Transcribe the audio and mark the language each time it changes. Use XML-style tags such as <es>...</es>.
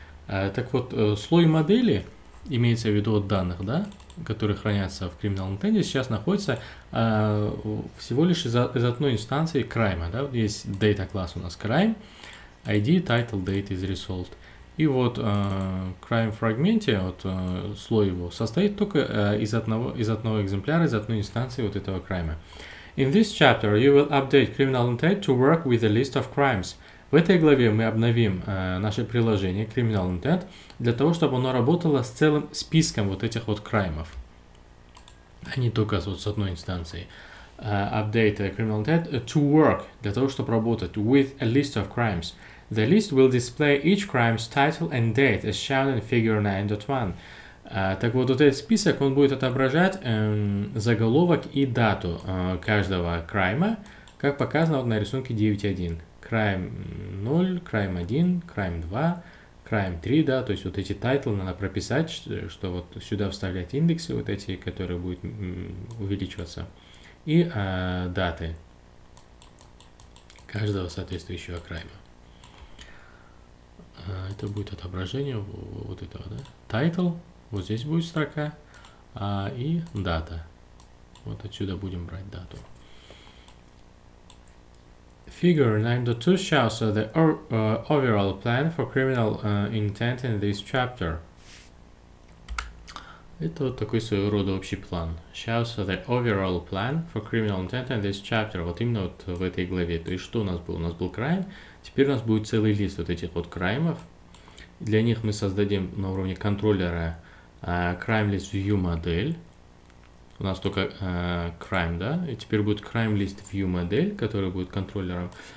<ru>Так вот, слой модели, имеется в виду от данных, да, которые хранятся в criminal intent, сейчас находится всего лишь из одной инстанции crime. Да? Есть data класс у нас crime. ID, title, date is result. И вот crime фрагменте, вот слой его, состоит только из одного экземпляра, из одной инстанции вот этого crime.</ru> <en>In this chapter, you will update criminal intent to work with a list of crimes.</en> <ru>В этой главе мы обновим наше приложение criminal intent для того, чтобы оно работало с целым списком вот этих вот краймов, а не только вот с одной инстанцией.</ru> <en>Update criminal intent to work,</en> <ru>для того, чтобы работать,</ru> <en>with a list of crimes. The list will display each crime's title and date, as shown in figure 9.1.</en> <ru>Так вот, этот список, он будет отображать заголовок и дату каждого крайма, как показано вот на рисунке 9.1. Crime 0, crime 1, crime 2, crime 3, да, то есть вот эти тайтлы надо прописать, что вот сюда вставлять индексы, вот эти, которые будут увеличиваться. И даты каждого соответствующего крайма. Это будет отображение вот этого, да? Title, вот здесь будет строка, и дата. Вот отсюда будем брать дату.</ru> <en>Figure 9.2 shows the overall plan for criminal intent in this chapter.</en> <ru>Это вот такой своего рода общий план.</ru> <en>Shows the overall plan for criminal intent in this chapter.</en> <ru>Вот именно вот в этой главе. То есть что у нас было? У нас был crime. Теперь у нас будет целый лист вот этих вот краймов. Для них мы создадим на уровне контроллера crime list view модель. У нас только crime, да? И теперь будет crime list view модель, которая будет контроллером.</ru>